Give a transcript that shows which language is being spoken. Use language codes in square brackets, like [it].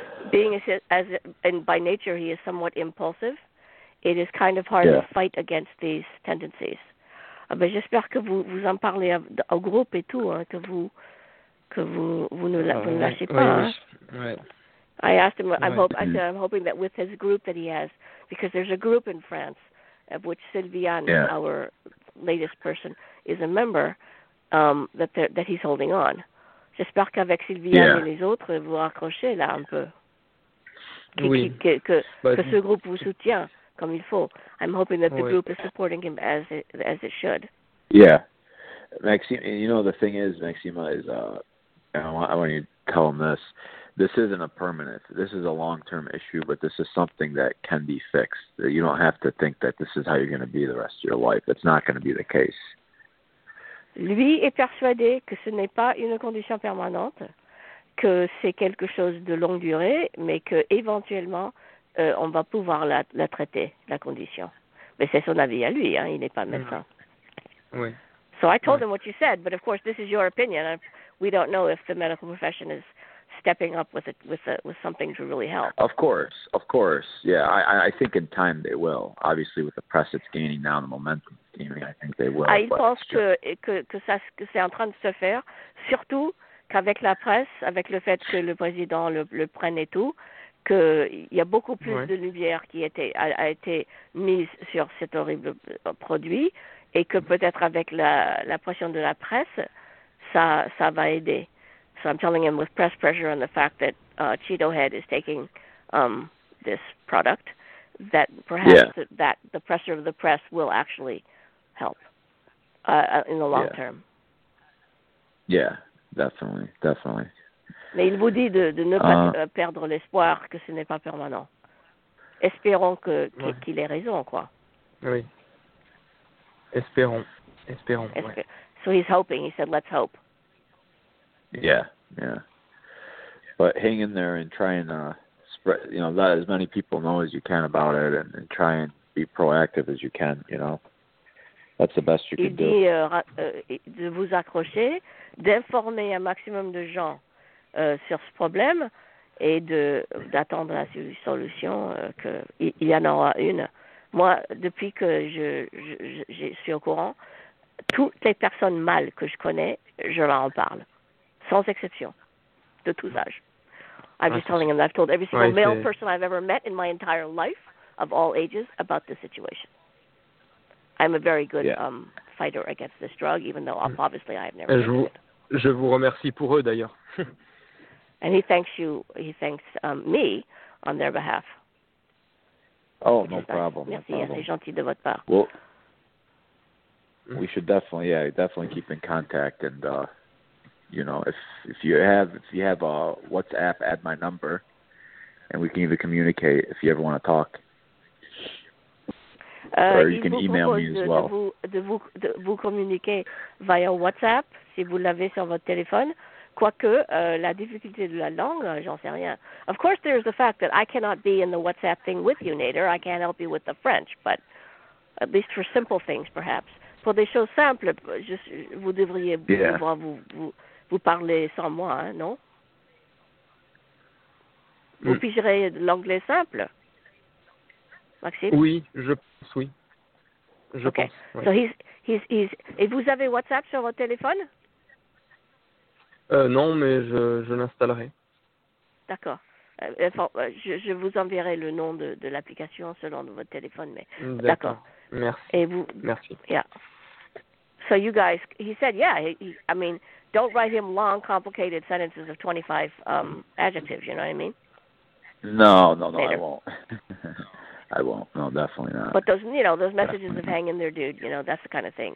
[en] Being and by nature he is somewhat impulsive, it is kind of hard to fight against these tendencies. [fr] Ben, j'espère que vous en parlez au groupe et tout, hein, que vous ne lâchez pas. Oui, Oui. [en] I asked him. I said, I'm hoping that with his group that he has, because there's a group in France, of which Sylviane, our latest person, is a member, that he's holding on. [fr] J'espère qu'avec Sylviane et les autres, vous raccrochez là un peu. Que ce groupe vous soutient. Comme il faut. [en] I'm hoping that the group is supporting him as it should. Yeah. Maxime, you know, the thing is, Maxima, is I want you to tell him this. This isn't a permanent. This is a long-term issue, but this is something that can be fixed. You don't have to think that this is how you're going to be the rest of your life. It's not going to be the case. [fr] Lui est persuadé que ce n'est pas une condition permanente, que c'est quelque chose de longue durée, mais que éventuellement on va pouvoir la traiter, la condition. Mais c'est son avis à lui, hein, il n'est pas médecin. Oui. [en] So I told him what you said, but of course this is your opinion. We don't know if the medical profession is stepping up with something to really help. Of course. Yeah, I think in time they will. Obviously with the press it's gaining now, the momentum is gaining, I think they will. [fr] Il pense que c'est en train de se faire, surtout qu'avec la presse, avec le fait que le président le prenne et tout, qu'il y a beaucoup plus de lumière qui a été mise sur cet horrible produit et que peut-être avec la pression de la presse, ça va aider. [en] So I'm telling him with press pressure and the fact that Cheeto Head is taking this product, that perhaps that the pressure of the press will actually help in the long term. Yeah, definitely. [fr] Mais il vous dit de ne pas perdre l'espoir, que ce n'est pas permanent. espérons que, ouais. qu'il ait raison, quoi. Oui. Espérons. Espérons. [en] So he's hoping. He said, let's hope. Yeah, yeah. But hang in there and try and spread, you know, let as many people know as you can about it and try and be proactive as you can, you know. That's the best you can do. [fr] Il dit de vous accrocher, d'informer un maximum de gens sur ce problème et d'attendre la solution, qu'il y en aura une. Moi, depuis que je suis au courant, toutes les personnes mâles que je connais, je leur en parle, sans exception, de tous âges. [en] I'm just telling them that I've told every single male person I've ever met in my entire life, of all ages, about this situation. I'm a very good fighter against this drug, even though obviously I've never used it. [fr] Je vous remercie pour eux, d'ailleurs. [en] And he thanks you, he thanks me on their behalf. Oh, no problem. [fr] Merci, c'est gentil de votre part. [en] Well, we should definitely, definitely keep in contact. And, you know, if you have a WhatsApp, add my number, and we can even communicate if you ever want to talk. Or you can email me as well. [fr] De vous communiquer via WhatsApp, si vous l'avez sur votre téléphone. Quoique, la difficulté de la langue, j'en sais rien. [en] Of course, there's the fact that I cannot be in the WhatsApp thing with you, Nader. I can't help you with the French, but at least for simple things, perhaps. [fr] Pour des choses simples, vous devriez pouvoir vous parler sans moi, hein, non? Vous pigerez l'anglais simple, Maxime? Oui, je pense, oui. Je pense, oui. So et vous avez WhatsApp sur votre téléphone? Non, mais je l'installerai. D'accord. Je vous enverrai le nom de l'application selon votre téléphone. Mais d'accord. Merci. Et vous... Merci. [en] Yeah. So you guys, he said, yeah, I mean, don't write him long, complicated sentences of 25 adjectives, you know what I mean? No, later. I won't. I won't. No, definitely not. But those, you know, those messages of hang in there, dude, you know, that's the kind of thing.